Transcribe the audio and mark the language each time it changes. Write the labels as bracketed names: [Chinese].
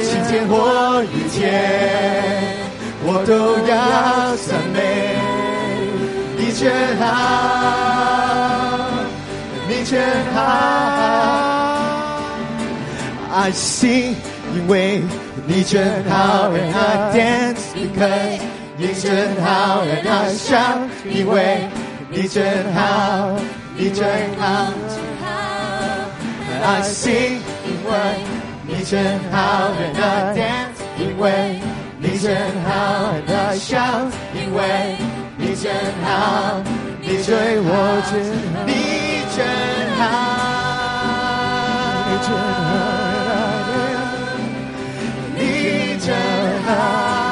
[Chinese] 今天或一天，我都要赞美，你真好，你真好。 [English] I sing, [Chinese] 因为你真好 [English] and I dance because [Chinese] 你真好 [English] and I shout [Chinese] 因为你真好你真好真好 [English] and I sing [Chinese] 因为你真好 [English] and I dance [Chinese] 因为你真好 [English] and I shout [Chinese] 因为你真好你对我真好你真好你真好